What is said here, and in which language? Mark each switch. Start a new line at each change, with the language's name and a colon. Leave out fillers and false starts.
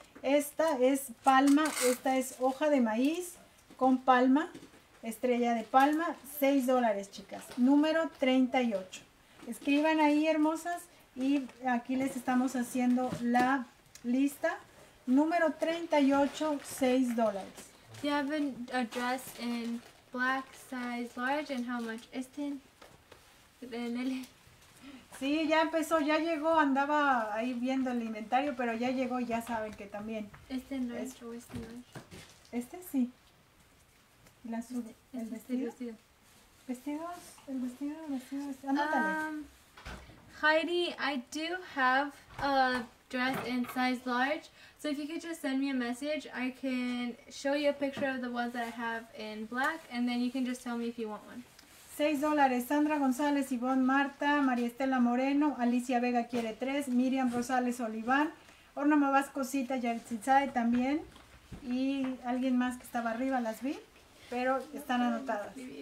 Spanish: Esta es palma, esta es hoja de maíz con palma, estrella de palma, $6, chicas. Número 38. Escriban ahí, hermosas, y aquí les estamos haciendo la lista. Número 38, $6.
English: Do you have a dress in black size large and how much is it?
Spanish: Sí, ya empezó, ya llegó, andaba ahí viendo el inventario, pero ya llegó y ya saben que también. ¿Este en nuestro es, o este en nuestro? Este sí. ¿El vestido? Vestidos. Anótale.
English: Heidi, I do have a dress in size large, so if you could just send me a message, I can show you a picture of the ones that I have in black, and then you can just tell me if you want one.
Spanish: $6, Sandra González, Ivonne Marta, María Estela Moreno, Alicia Vega quiere 3, Miriam Rosales Oliván, Orna Mavascosita, Yaritzitzae también, y alguien más que estaba arriba, las vi, pero están anotadas.